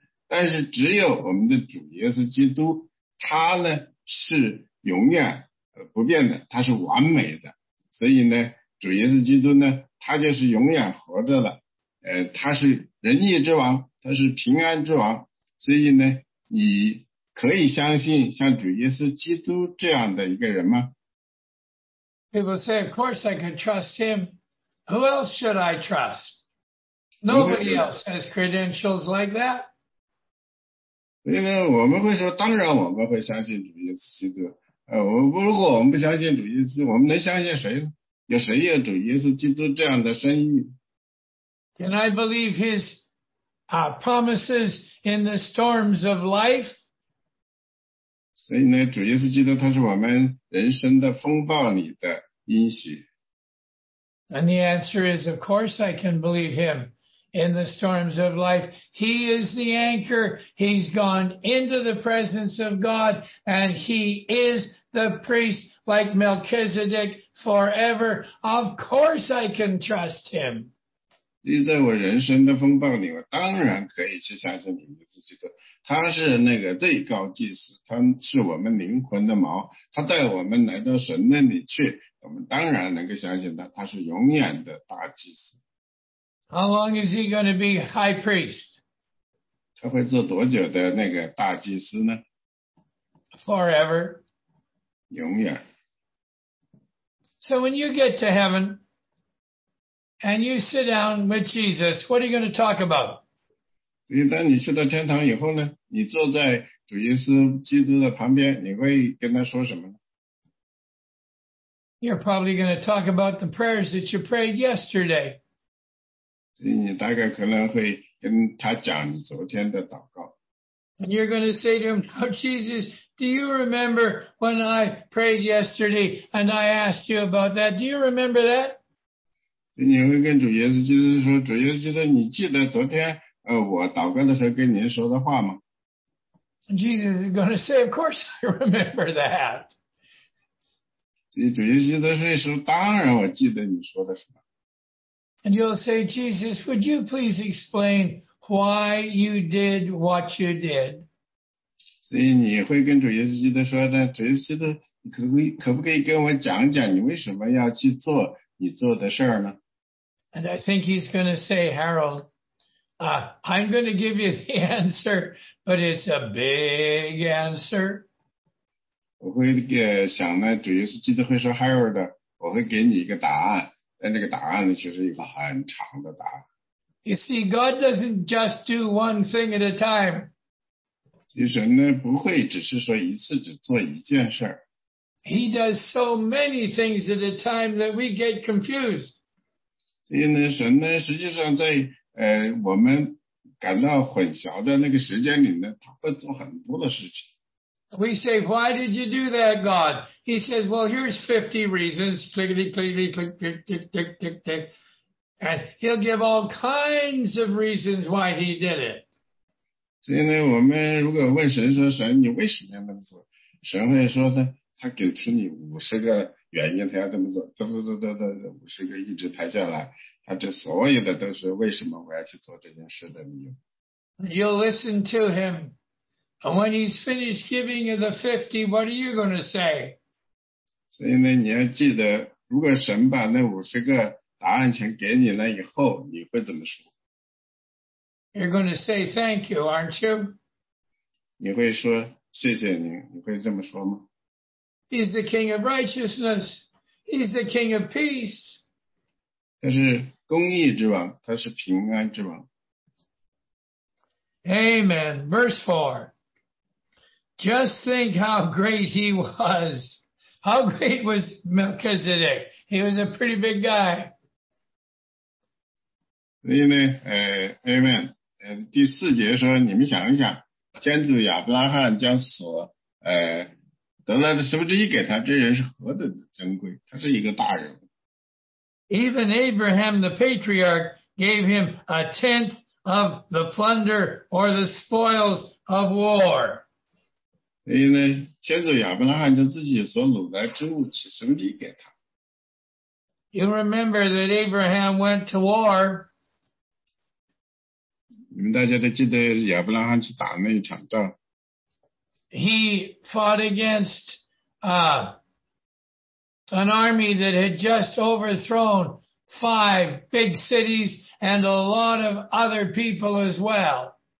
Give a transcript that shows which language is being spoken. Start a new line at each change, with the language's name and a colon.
Chinese: 但是只有我们的主耶稣基督，他呢是永远不变的，他是完美的。所以呢，主耶稣基督呢，他就是永远活着了，他是仁义之王，他是平安之王，所以呢，你可以相信像主耶稣基督这样的一个人吗
English: ？People say, of course I can trust him. Who else should I trust? Nobody else has credentials like that.
Chinese: 所以呢，我们会说，当然我们会相信主耶稣基督。如果我们不相信主耶稣，我们能相信谁呢？有谁有主耶稣基督这样的声誉
English: ？Can I believe his promises in the storms of life？
Chinese: 所以呢，主耶稣基督他是我们人生的风暴里的应许。
English: And the answer is, of course, I can believe him in the storms of life. He is the anchor. He's gone into the presence of God, and he is the priest like Melchizedek. Forever, of course I can trust him.
Chinese: 在我人生的风暴里，我当然可以去相信主耶稣基督。他是那个最高祭司，他是我们灵魂的锚，他带我们来到神那里去，我们当然能够相信他，他是永远的大祭司。
English: How long is he going to be high priest?
Chinese: 他会做多久的那个大祭司呢
English: ？Forever.
Chinese: 永远。
English: So when you get to heaven and you sit down with Jesus, what are you going to talk about?
Chinese: 所以当你去到天堂以后呢，你坐在主耶稣基督的旁边，你会跟他说什么？
English: You're probably going to talk about the prayers that you prayed yesterday.
Chinese: 所以你大概可能会跟他讲你昨天的祷告。
English: And you're going to say to him, "Oh, Jesus, do you remember when I prayed yesterday and I asked you about that? Do you remember that?"
Chinese: 你会跟主耶稣基督说，主耶稣基督，你记得昨天我祷告的时候跟您说的话吗
English: ？Jesus is going to say, "Of course, I remember that."
Chinese: 主耶稣基督会说，当然我记得你说的什么。
English: And you'll say, "Jesus, would you please explain?" Why you did what you did.
Chinese: 所以你会跟主耶稣基督说的，主耶稣基督，可不可以跟我讲讲你为什么要去做你做的事儿呢
English: ？And I think he's going to say, Harold, I'm going to give you the answer, but it's a big answer.
Chinese: 我会想呢，主耶稣基督会说 ，Harold，我会给你一个答案，但这个答案呢，其实一个很长的答案。
English: You see, God doesn't just do one thing at a time.
Chinese: 其实神呢，不会只是说一次只做一件事。
English: He does so many things at a time that we get confused.
Chinese: 所以呢，神呢，实际上在我们感到混淆的那个时间里呢，他会做很多的事情。
English: We say, why did you do that, God? He says, well, here's 50 reasons. Clickety, clickety, click, tick, tick, tick, tick, tick. And he'll give all kinds of reasons why he did it.
Chinese: 所以呢，我们如果问神说，神，你为什么要那么做？神会说呢，他给出你50个原因，他要这么做，嘚嘚嘚嘚嘚，50个一直排下来，他这所有的都是为什么我要去做这件事的理由。
English: You'll listen to him. And when he's finished giving you the 50, what are you going to say?
Chinese: 所以呢，你要记得，如果神把那50个答案全给你了以后，你会怎么说？
English: You're going to say thank you, aren't you?
Chinese: 你会说谢谢你，你会这么说吗？
English: He's the king of righteousness. He's the king of peace.
Chinese: 他是公义之王，他是平安之王。
English: Amen. Verse 4. Just think how great he was. How great was Melchizedek? He was a pretty big guy.
Chinese: 所以呢Amen. 第四节说，你们想一想，先祖亚伯拉罕将所得来的十分之一给他，这人是何等的珍贵，他是一个大人。
English: Even Abraham the patriarch gave him a tenth of the plunder or the spoils of war.
Chinese: 所以呢，先祖亚伯拉罕将自己所掳来之物十分之一给他。
English: You remember that Abraham went to war.
Chinese: 你们大家都记得亚伯拉罕去打那一场仗。
English: He fought against an army that had just overthrown 5 big cities and a lot of other people as well.